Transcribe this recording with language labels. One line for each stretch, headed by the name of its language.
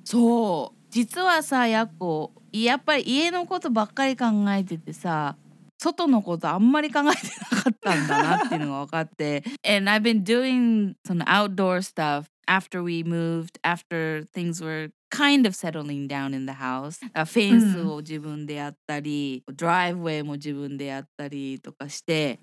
Japanese: そう。実はさ、やっこ、やっぱり家のことばっかり考えててさ、外のことあんまり考えてなかったんだなっていうのが分かって。
English: And I've been doing some outdoor stuff after we moved, after things were kind of settling down in the house.
Japanese: フェンスを自分でやったり、ドライブウェイも自分でやったりとかして、